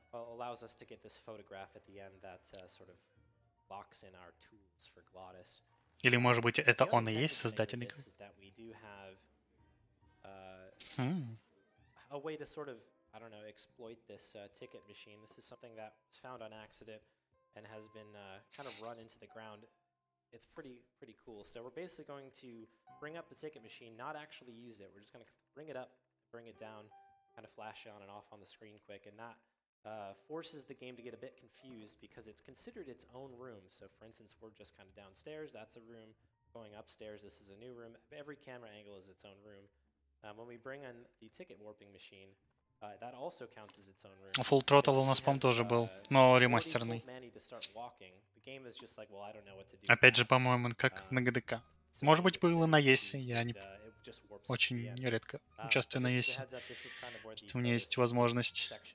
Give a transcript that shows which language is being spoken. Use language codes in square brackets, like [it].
[en] Allows us to get this photograph at the end that sort of locks in our tools for Glottis. [ru] Или может быть это он и есть создатель? [en] This is that we do have a way to sort of, I don't know, exploit this ticket machine. This is something that was found on accident and has been kind of run into the ground. It's pretty cool. So we're basically going to bring up the ticket machine, not actually use it. We're just going to bring it up, bring it down, kind of flash it on and off on the screen quick, and that. Forces the game to get a bit confused because it's considered its own room. So, for instance, we're just kind of downstairs. That's a room. Going upstairs, this is a new room. Every camera angle is its own room. When we bring in the ticket warping machine, that also counts as its own room. [ru] Full throttle у нас, по-моему, тоже был, но ремастерный. [en] Manny to start walking. The game is just like, well, I don't know what to do. [ru] Опять же, по-моему, как на ГДК. Может быть, было на ЕС, я не очень редко участвую на ЕС. У меня есть возможность.